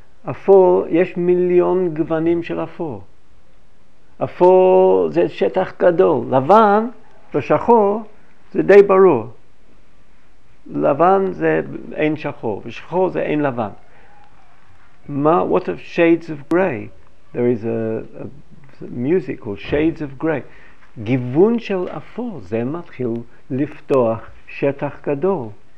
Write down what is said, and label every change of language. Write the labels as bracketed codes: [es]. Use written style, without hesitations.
[he] אפור, יש מיליון גוונים של אפור. אפור זה שטח גדול. לבן ושחור זה די ברור. לבן זה אין שחור, ושחור זה אין לבן. [en] What of shades of gray? There is a music called Shades of Gray. [he] גיוון של אפור, זה מתחיל לפתוח שטח גדול.